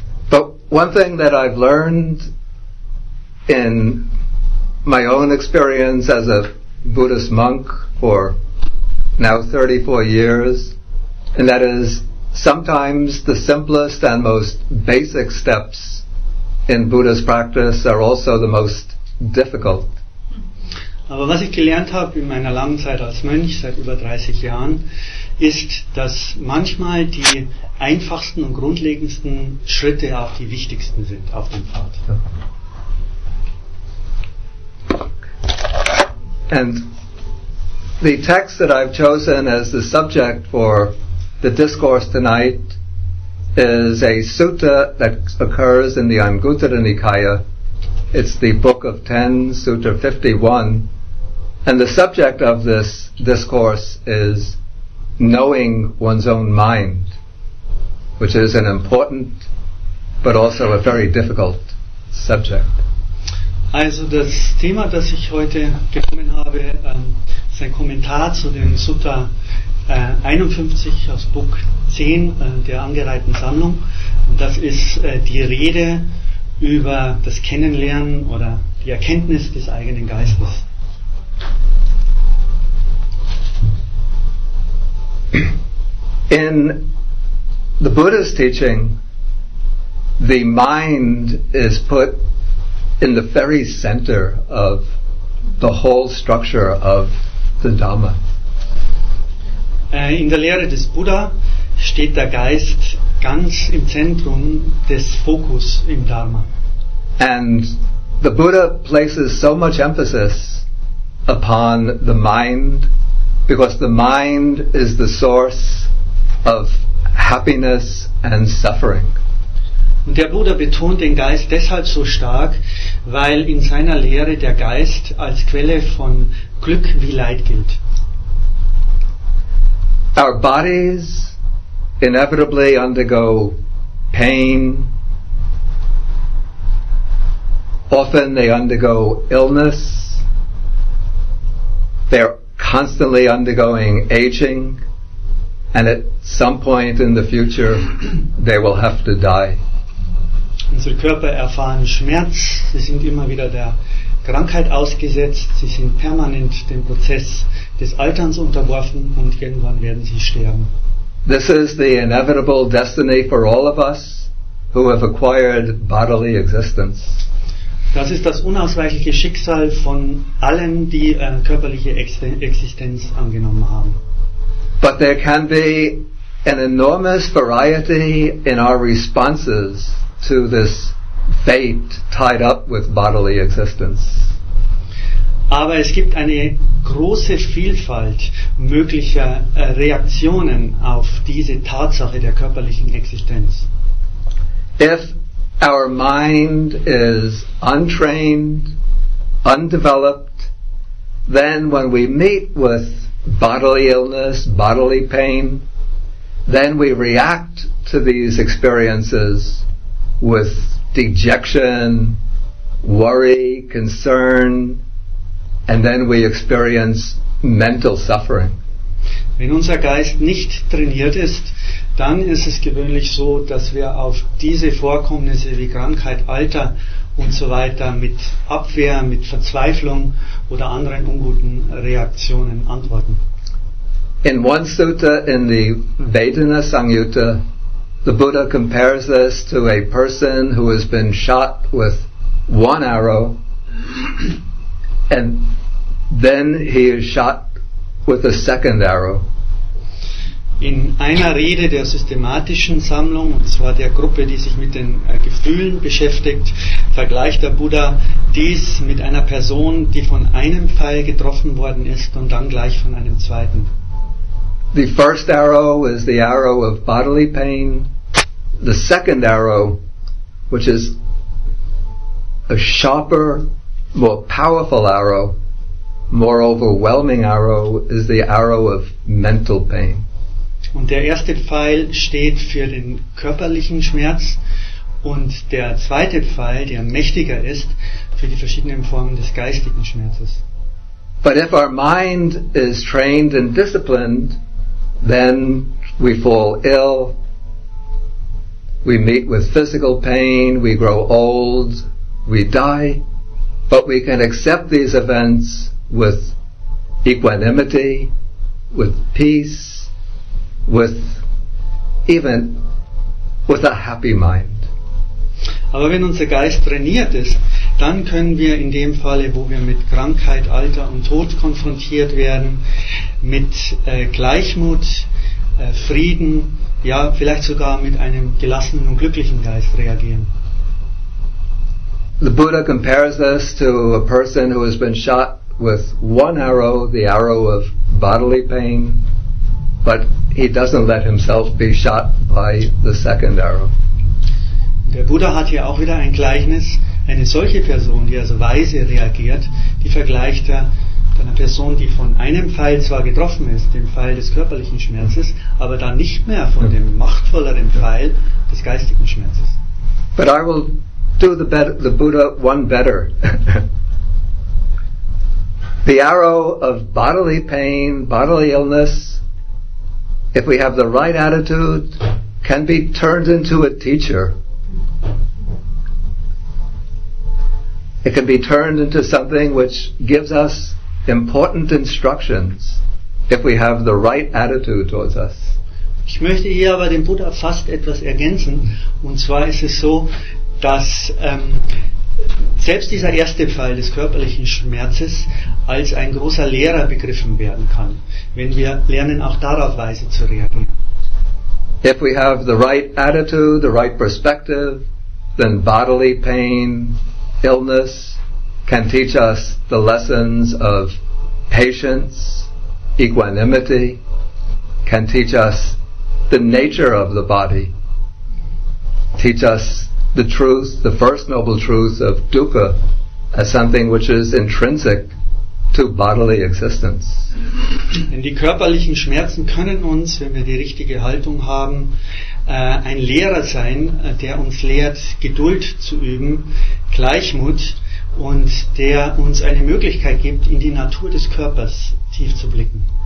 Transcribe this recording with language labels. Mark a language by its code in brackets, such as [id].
[en] But one thing that I've learned in my own experience as a Buddhist monk for now 34 years, and that is sometimes the simplest and most basic steps in Buddhist practice are also the most difficult. [de] Aber was ich gelernt habe in meiner langen Zeit als Mönch, seit über 30 Jahren, ist, dass manchmal die einfachsten und grundlegendsten Schritte auch die wichtigsten sind auf dem Pfad. [en] And the text that I've chosen as the subject for the discourse tonight is a sutta that occurs in the Anguttara Nikaya It's the Book of Ten, Sutta 51. And the subject of this discourse is knowing one's own mind, which is an important but also a very difficult subject. [de] Also das Thema, das ich heute genommen habe, ist ein Kommentar zu dem Sutta 51 aus Buch 10 der angereihten Sammlung. Das ist die Rede über das Kennenlernen oder die Erkenntnis des eigenen Geistes. [en] In the Buddha's teaching, the mind is put in the very center of the whole structure of the Dhamma. [de] In der Lehre des Buddha steht der Geist ganz im Zentrum des Fokus im Dharma. [en] And the Buddha places so much emphasis upon the mind, because the mind is the source of happiness and suffering. [de] Und der Buddha betont den Geist deshalb so stark, weil in seiner Lehre der Geist als Quelle von Glück wie Leid gilt. [en] Our bodies inevitably undergo pain. Often they undergo illness. They're constantly undergoing aging, and at some point in the future they will have to die. [de] Unsere Körper erfahren Schmerz, sie sind immer wieder der Krankheit ausgesetzt, sie sind permanent dem Prozess des Alterns unterworfen und irgendwann werden sie sterben. [en] This is the inevitable destiny for all of us who have acquired bodily existence. [de] Das ist das unausweichliche Schicksal von allen, die körperliche Existenz angenommen haben. [en] But there can be an enormous variety in our responses to this fate tied up with bodily existence. [de] Aber es gibt eine große Vielfalt möglicher Reaktionen auf diese Tatsache der körperlichen Existenz. [en] If our mind is untrained, undeveloped, then when we meet with bodily illness, bodily pain, then we react to these experiences with dejection, worry, concern, and then we experience mental suffering. [de] Wenn unser Geist nicht trainiert ist, dann ist es gewöhnlich so, dass wir auf diese Vorkommnisse wie Krankheit, Alter und so weiter mit Abwehr, mit Verzweiflung oder anderen unguten Reaktionen antworten. [en] In one sutta in the Vedana Samyutta, the Buddha compares this to a person who has been shot with one arrow and then he is shot with a second arrow. [de] In einer Rede der systematischen Sammlung, und zwar der Gruppe, die sich mit den Gefühlen beschäftigt, vergleicht der Buddha dies mit einer Person, die von einem Pfeil getroffen worden ist und dann gleich von einem zweiten. [en] The first arrow is the arrow of bodily pain. The second arrow, which is a sharper, more powerful arrow, more overwhelming arrow, is the arrow of mental pain. [de] Und der erste Pfeil steht für den körperlichen Schmerz und der zweite Pfeil, der mächtiger ist, für die verschiedenen Formen des geistigen Schmerzes. [en] But if our mind is trained and disciplined, then we fall ill, we meet with physical pain, we grow old, we die, but we can accept these events with equanimity, with peace, with a happy mind. [de] Aber wenn unser Geist trainiert ist, dann können wir in dem Falle, wo wir mit Krankheit, Alter und Tod konfrontiert werden, mit Gleichmut, Frieden, ja, vielleicht sogar mit einem gelassenen und glücklichen Geist reagieren. [en] The Buddha compares this to a person who has been shot with one arrow, the arrow of bodily pain, but he doesn't let himself be shot by the second arrow. [de] Der Buddha hat hier auch wieder ein Gleichnis. Eine solche Person, die also weise reagiert, die vergleicht er mit einer Person, die von einem Pfeil zwar getroffen ist, dem Pfeil des körperlichen Schmerzes, aber dann nicht mehr von dem machtvolleren Pfeil des geistigen Schmerzes. [en] But I will do the Buddha one better. The arrow of bodily pain, bodily illness, if we have the right attitude, can be turned into a teacher. It can be turned into something which gives us important instructions if we have the right attitude towards us. [de] Ich möchte hier aber dem Buddha fast etwas ergänzen. Und zwar ist es so, dass selbst dieser erste Fall des körperlichen Schmerzes als ein großer Lehrer begriffen werden kann, wenn wir lernen, auch darauf weise zu reagieren. [en] If we have the right attitude, the right perspective, then bodily pain, illness can teach us the lessons of patience, equanimity, can teach us the nature of the body, teach us the truth, the first noble truth of dukkha as something which is intrinsic to bodily existence. [de] Denn die körperlichen Schmerzen können uns, wenn wir die richtige Haltung haben, ein Lehrer sein, der uns lehrt, Geduld zu üben, Gleichmut, und der uns eine Möglichkeit gibt, in die Natur des Körpers tief zu blicken.